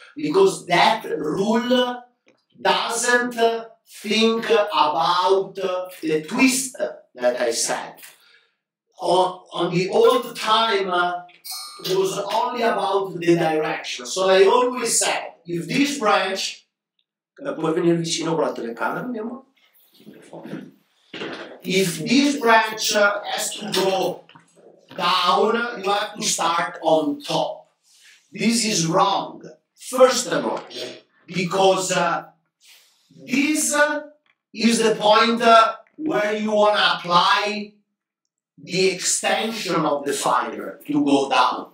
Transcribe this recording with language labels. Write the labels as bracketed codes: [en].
[en] Because that rule doesn't think about the twist that I said. On the old time, it was only about the direction. So I always said, if this branch... [it] Puoi venire vicino con la telecamera, mio amore? [en] If this branch has to go down, you have to start on top. This is wrong. First of all, because this is the point where you want to apply the extension of the fiber to go down.